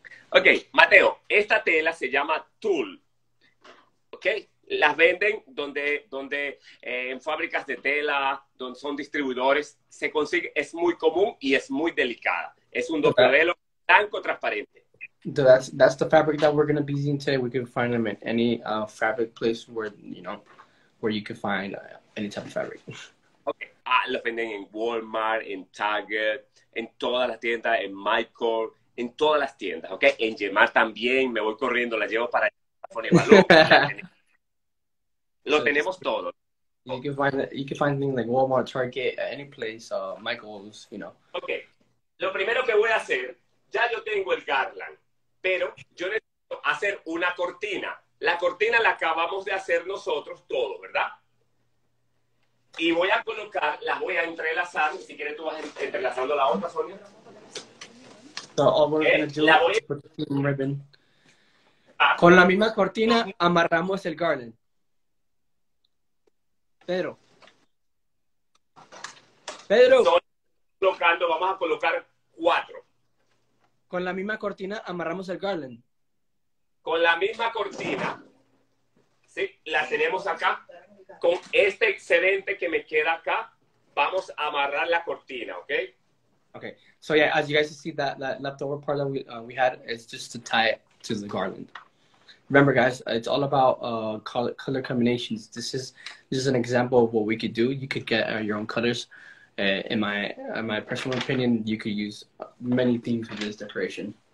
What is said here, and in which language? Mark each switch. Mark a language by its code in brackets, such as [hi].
[es] Ok, Mateo, esta tela se llama tulle, ¿ok? Las venden donde en fábricas de tela, donde son distribuidores, se consigue, es muy común y es muy delicada. Es un doble velo blanco transparente. [en] So that's the fabric that we're going to be using today. We can find them in any fabric place where you can find any type of fabric. [es] Ok, los venden en Walmart, en Target, en todas las tiendas, en Michael. En todas las tiendas, ¿ok? En Gemar también, me voy corriendo, la llevo para poner lo tenemos todo. [en] You can find things like Walmart, Target, any place, Michael's, you know. [es] Ok, lo primero que voy a hacer, ya yo tengo el garland, pero yo necesito hacer una cortina. La cortina la acabamos de hacer nosotros todo, ¿verdad? Y voy a colocar, las voy a entrelazar, si quieres tú vas entrelazando la otra, Sonia. [en] So all we're going to do is put the ribbon. [es] Con la misma cortina, amarramos el garland. Pedro. Vamos a colocar 4. Con la misma cortina amarramos el garland. Con la misma cortina. Sí, la tenemos acá. Con este excedente que me queda acá, vamos a amarrar la cortina, ¿ok? Okay. [en] So yeah, as you guys see, that leftover part that we had is just to tie it to the garland. Remember, guys, it's all about color combinations. This is an example of what we could do. You could get your own colors. In my personal opinion, you could use many things with this decoration.